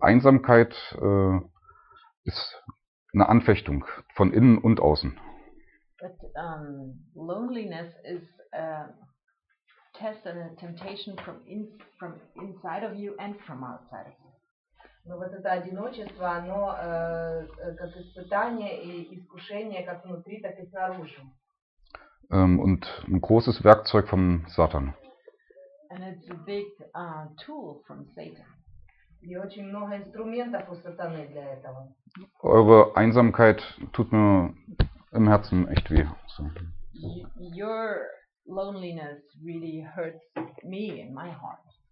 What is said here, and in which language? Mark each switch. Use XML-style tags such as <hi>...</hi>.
<de>Einsamkeit ist eine Anfechtung von innen und außen.</de> <en>But loneliness is a test and a temptation from inside of you and from outside of you.</en> <ru>Но вот это одиночество, оно как испытание и искушение как внутри, так и снаружи.</ru> <de>Und ein großes Werkzeug von Satan.</de> <en>And it's a big tool from Satan.</en> <ru>И очень много инструментов у сатаны для этого.</ru> <de>Eure Einsamkeit tut mir im Herzen echt weh. So.</de> <en>Your loneliness really hurts me in my heart.</en>